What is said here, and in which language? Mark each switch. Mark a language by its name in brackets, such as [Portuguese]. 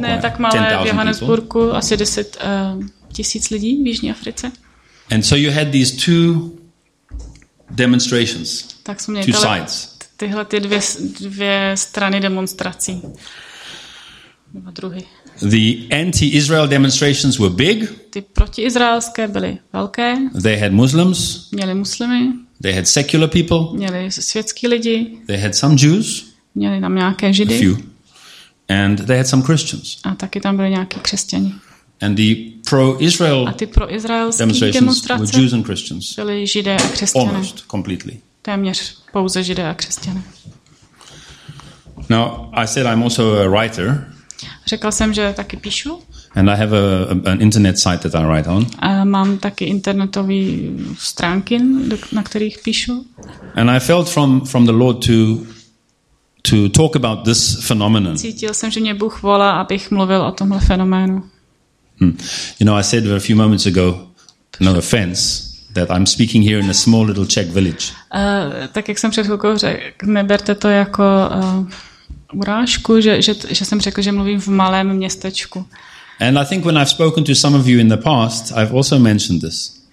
[Czech] Ne, tak malé 10, v Johannesburgu, asi 10 tisíc lidí v Jižní Africe. [English] And so you had these two demonstrations. [Czech] Tak jsme měli tyhle ty dvě strany demonstrací. Dva druhy. [English] The anti-Israel demonstrations were big. [Czech] Ty protiizraelské byly velké. [English] They had Muslims. [Czech] Měli muslimy. [English] They had secular people. [Czech] Měli světský lidi. [English] They had some Jews. [Czech] Měli tam nějaké židy. [English] A few. And they had some Christians. [Czech] A taky tam byli nějaký křesťani. [English] And the pro-Israel demonstrations were Jews and Christians. [Czech] Byli židé a křesťané. [English] Almost completely. [Czech] Téměř pouze židé a křesťané. [English] Now, I said I'm also a writer. [Czech] Řekl jsem, že taky píšu. [English] And I have an internet site that I write on. [Czech] A mám taky internetové stránky, na kterých píšu. [English] And I felt from the Lord to talk about this phenomenon. [Czech] Cítil jsem, že mě Bůh volá, abych mluvil o tomhle fenoménu. [English] You know, I said a few moments ago, no offense, that I'm speaking here in a small little Czech village. [Czech] Tak jak jsem před chvilkou řekl, neberte to jako urážku, že jsem řekl, že mluvím v malém městečku. [English] And I think when I've spoken to some of you in the past, I've also mentioned this.